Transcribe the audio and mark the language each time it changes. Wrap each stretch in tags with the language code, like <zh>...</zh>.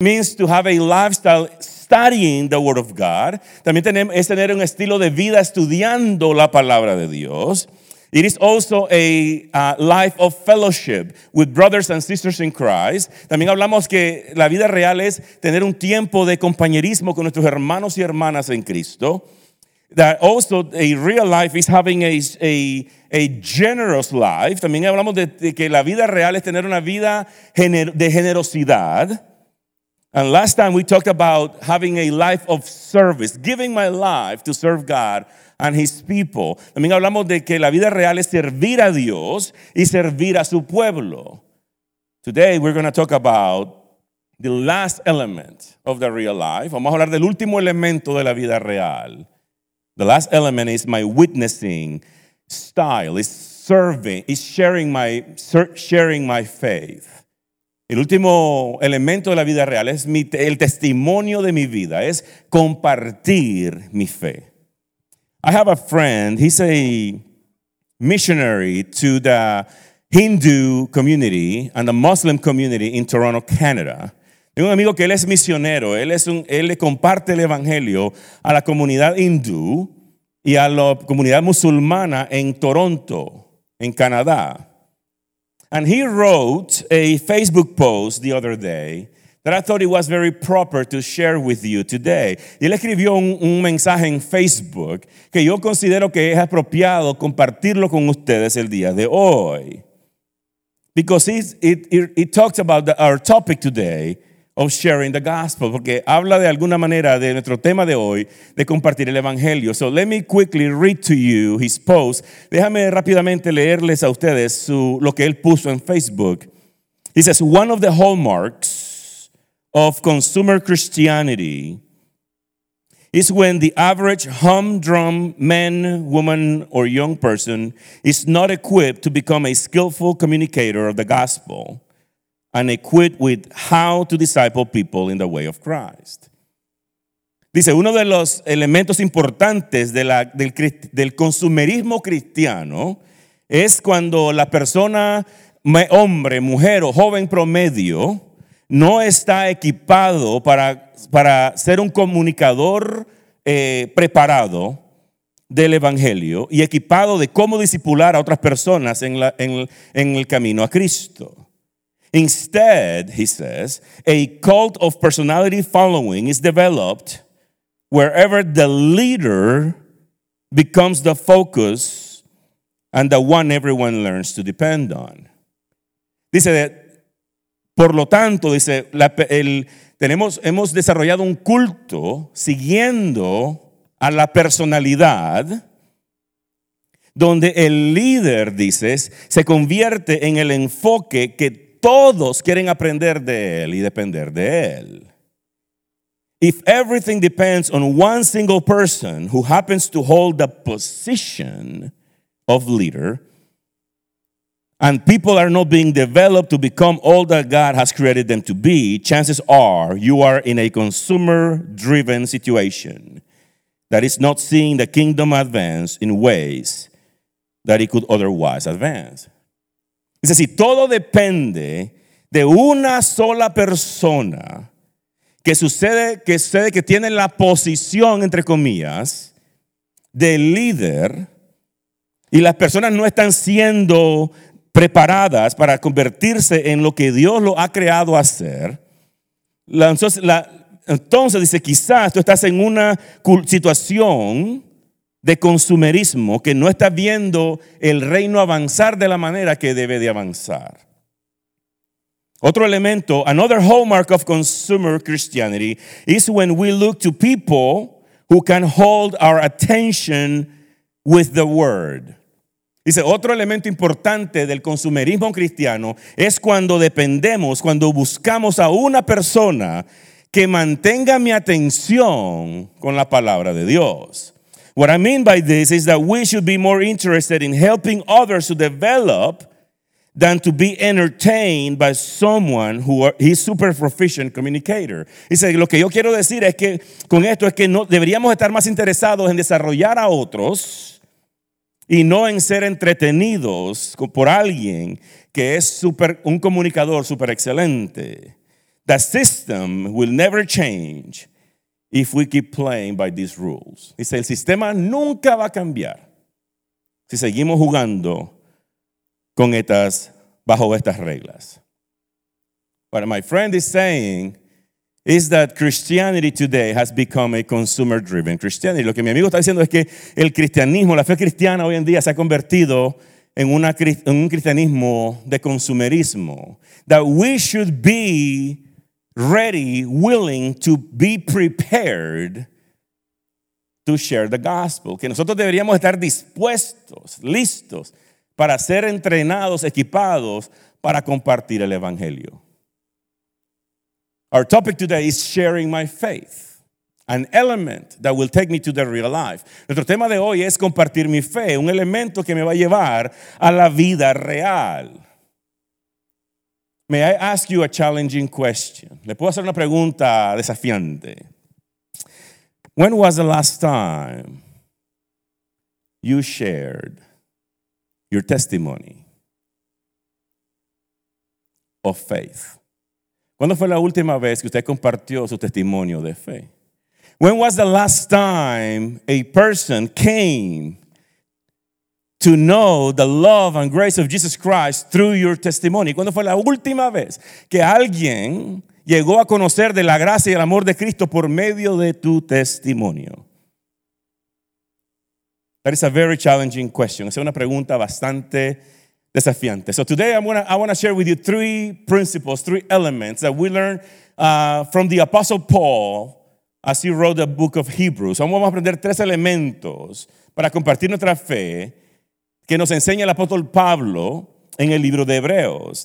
<en>means to have a lifestyle studying the word of God.</en> <es>También tenemos, es tener un estilo de vida estudiando la palabra de Dios.</es> <en>It is also a life of fellowship with brothers and sisters in Christ.</en> <es>También hablamos que la vida real es tener un tiempo de compañerismo con nuestros hermanos y hermanas en Cristo.</es> <en>That also a real life is having a generous life.</en> <es>También hablamos de que la vida real es tener una vida de generosidad.</es> <en>And last time we talked about having a life of service, giving my life to serve God and his people.</en> <es>También hablamos de que la vida real es servir a Dios y servir a su pueblo.</es> <en>Today we're going to talk about the last element of the real life.</en> <es>Vamos a hablar del último elemento de la vida real.</es> <en>The last element is my witnessing style, is serving, is sharing my faith.</en> <es>El último elemento de la vida real es el testimonio de mi vida, es compartir mi fe.</es> <en>I have a friend, he's a missionary to the Hindu community and the Muslim community in Toronto, Canada.</en> <es>Tengo un amigo que él es misionero, él le comparte el evangelio a la comunidad hindú y a la comunidad musulmana en Toronto, en Canadá.</es> <en>And he wrote a Facebook post the other day that I thought it was very proper to share with you today.</en> <es>Y él escribió un mensaje en Facebook que yo considero que es apropiado compartirlo con ustedes el día de hoy.</es> <en>Because it talks about our topic today of sharing the gospel.</en> <es>Porque habla de alguna manera de nuestro tema de hoy, de compartir el evangelio.</es> <en>So let me quickly read to you his post.</en> <es>Déjame rápidamente leerles a ustedes lo que él puso en Facebook.</es> <en>He says, one of the hallmarks of consumer Christianity is when the average humdrum man, woman, or young person is not equipped to become a skillful communicator of the gospel and equipped with how to disciple people in the way of Christ.</en> <es>Dice, uno de los elementos importantes del consumerismo cristiano es cuando la persona, hombre, mujer o joven promedio no está equipado para ser un comunicador preparado del evangelio y equipado de cómo discipular a otras personas en el camino a Cristo.</es> <en>Instead, he says, a cult of personality following is developed wherever the leader becomes the focus and the one everyone learns to depend on.</en> <es>Dice, por lo tanto, dice, hemos desarrollado un culto siguiendo a la personalidad donde el líder, dices, se convierte en el enfoque que todos quieren aprender de él y depender de él.</es> <en>If everything depends on one single person who happens to hold the position of leader, and people are not being developed to become all that God has created them to be, chances are you are in a consumer-driven situation that is not seeing the kingdom advance in ways that it could otherwise advance.</en> <es>Dice, si todo depende de una sola persona que sucede que tiene la posición, entre comillas, de líder y las personas no están siendo preparadas para convertirse en lo que Dios lo ha creado a ser, entonces dice, quizás tú estás en una situación de consumerismo, que no está viendo el reino avanzar de la manera que debe de avanzar. Otro elemento,</es> <en>another hallmark of consumer Christianity, is when we look to people who can hold our attention with the word.</en> <es>Dice, otro elemento importante del consumerismo cristiano es cuando dependemos, cuando buscamos a una persona que mantenga mi atención con la palabra de Dios.</es> <en>What I mean by this is that we should be more interested in helping others to develop than to be entertained by someone who is a super proficient communicator.</en> <es>Dice, lo que yo quiero decir es que con esto es que no deberíamos estar más interesados en desarrollar a otros y no en ser entretenidos por alguien que es super un comunicador super excelente.</es> <en>The system will never change if we keep playing by these rules.</en> <es>Dice, el sistema nunca va a cambiar si seguimos jugando con estas, bajo estas reglas.</es> <en>What my friend is saying is that Christianity today has become a consumer-driven Christianity.</en> <es>Lo que mi amigo está diciendo es que el cristianismo, la fe cristiana hoy en día se ha convertido en un cristianismo de consumerismo.</es> <en>That we should be ready, willing to be prepared to share the gospel.</en> <es>Que nosotros deberíamos estar dispuestos, listos, para ser entrenados, equipados, para compartir el evangelio.</es> <en>Our topic today is sharing my faith, an element that will take me to the real life.</en> <es>Nuestro tema de hoy es compartir mi fe, un elemento que me va a llevar a la vida real.</es> <en>May I ask you a challenging question?</en> <es>Le puedo hacer una pregunta desafiante.</es> <en>When was the last time you shared your testimony of faith?</en> <es>¿Cuándo fue la última vez que usted compartió su testimonio de fe?</es> <en>When was the last time a person came to know the love and grace of Jesus Christ through your testimony?</en> <es>¿Cuándo fue la última vez que alguien llegó a conocer de la gracia y el amor de Cristo por medio de tu testimonio?</es> <en>That is a very challenging question.</en> <es>Es una pregunta bastante desafiante.</es> <en>So today I want to share with you three principles, three elements that we learn from the Apostle Paul as he wrote the book of Hebrews.</en> <es>Vamos a aprender tres elementos para compartir nuestra fe que nos enseña el apóstol Pablo en el libro de Hebreos.</es>